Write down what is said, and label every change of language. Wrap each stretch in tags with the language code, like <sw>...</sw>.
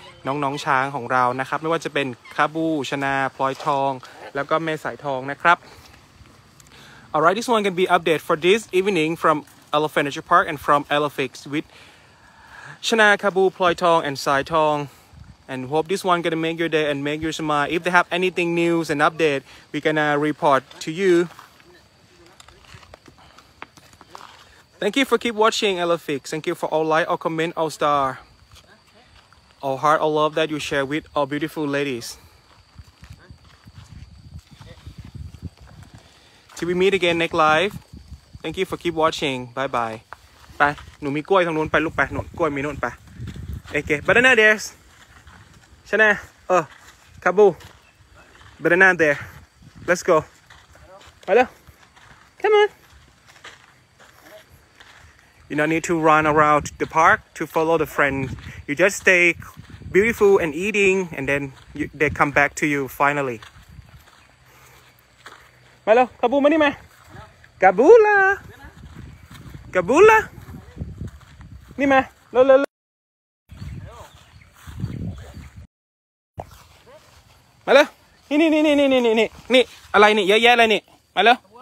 <th>น้องๆช้างของเรานะครับ</th> <en>ไม่ว่าจะเป็นคาบูชนะพลอยทองแล้วก็เมสายทองนะครับ Alright, this one can be updated for this evening from Elephant Nature Park and from Elephix with Shana, Kabu, Ploy Tong and Sai Tong and hope this one gonna make your day and make your smile. If they have anything news and update, we gonna report to you. Thank you for keep watching Elephix. Thank you for all like, all comment, all star, all heart, all love that you share with all beautiful ladiesTill we meet again next live. Thank you for keep watching. Bye bye.</en> <th>ไปหนูมีกล้วยทางนู้นไปลูกไปหนูกล้วยมีนู้นไปโอเค</th> <en>Banana there. Shana. Oh, Kabu. Banana there. Let's go. Hello. Come on. You don't need to run around the park to follow the friends. You just stay beautiful and eating, and then they come back to you finally.</en> <th>มาแล้วกาบูมานี่มากาบูล่ากาบูล่านี่มาเร็วๆมาแล้วนี่อะไรนี่เยอะแยะอะไรนี่มาแล้ว</th>